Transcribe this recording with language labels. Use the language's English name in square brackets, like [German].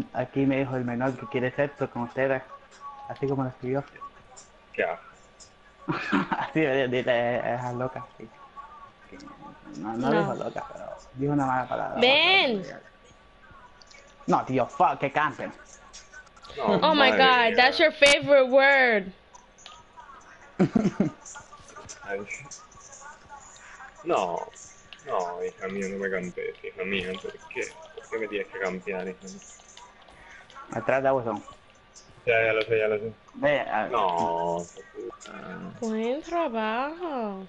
[Spanish] Aquí me dijo el menor que quiere sexo con ustedes. Así como lo escribió. Ya. Así, dile, es loca. Sí. No, no dijo loca, pero dijo una mala palabra. ¡Ven! No, tío, fuck, que canten. [English] Oh, my God, God, that's your favorite word. [Spanish] No, no, hija mía, no me campees, hija mía, ¿por qué me tienes que campear, hija mía? Atrás de abusón. Ya lo sé. No. Buen trabajo.